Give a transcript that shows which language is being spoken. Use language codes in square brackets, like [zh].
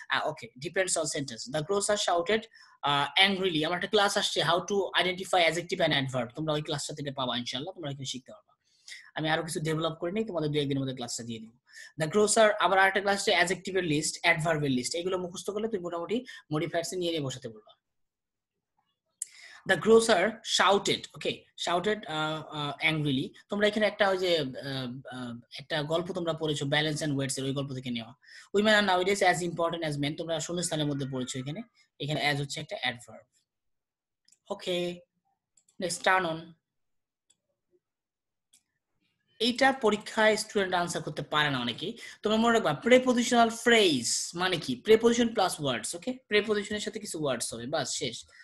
[bn] Okay, depends on sentence, [en] the grocer shouted angrily, [bn] আমার একটা class আসছে [en] how to identify adjective and adverb, [bn] তোমরা ওই ক্লাসটা থেকে পাবা ইনশাল্লাহ, তোমরা এখানে শিখতে পারবা, আমি আরো কিছু ডেভেলপ করে নিই, তোমাদের দু একদিনের মধ্যে ক্লাসটা দিয়ে দিবো। দ্য গ্রোসার, আবার আরেকটা ক্লাস আছে অ্যাডজেক্টিভের লিস্ট, অ্যাডভার্বের লিস্ট, এগুলো মুখস্থ করলে তুমি মোটামুটি মডিফায়ার্স নিয়ে নিয়ে বসাতে পারবে। [en] The grocer shouted, okay, shouted angrily. [bn] তোমরা এখানে একটা ওই যে একটা গল্প তোমরা পড়েছো ব্যালেন্স এন্ড ওয়েটস এর, ওই গল্প থেকে নেওয়া, [en] women are nowadays as important as men, [bn] তোমরা শূন্য স্থানের মধ্যে পড়েছো, এখানে এখানে অ্যাজ হচ্ছে একটা adverb. Okay, next, turn on, এইটা পরীক্ষায় স্টুডেন্ট আনসার করতে পারে না অনেকেই, তোমরা মনে রাখবা প্রেপোজিশনাল ফ্রেজ মানে কি, প্রেপোজিশন প্লাস ওয়ার্ডস, ওকে, প্রেপোজিশনের সাথে কিছু ওয়ার্ডস হবে, বাস শেষ।